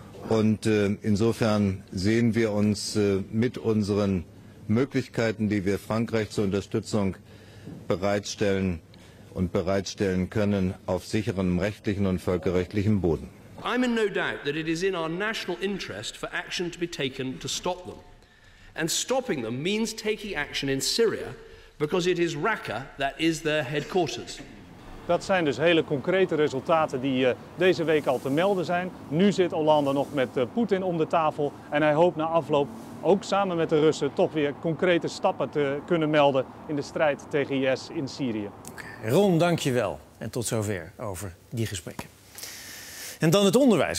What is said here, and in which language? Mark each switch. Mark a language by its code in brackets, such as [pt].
[de] En insofern sehen wir uns mit unseren Möglichkeiten, die wir Frankreich zur Unterstützung bereitstellen und bereitstellen können, auf sicherem rechtlichen und völkerrechtlichen Boden. [en] I'm in no doubt that it is in our national interest for action to be taken to stop them. and stopping them means taking action in Syria, because it is Raqqa that is their headquarters. [nl] Dat zijn dus hele concrete resultaten die deze week al te melden zijn. Nu zit Hollande nog met Poetin om de tafel en hij hoopt na afloop ook samen met de Russen toch weer concrete stappen te kunnen melden in de strijd tegen IS in Syrië. Ron, dank je wel. En tot zover over die gesprekken. En dan het onderwijs.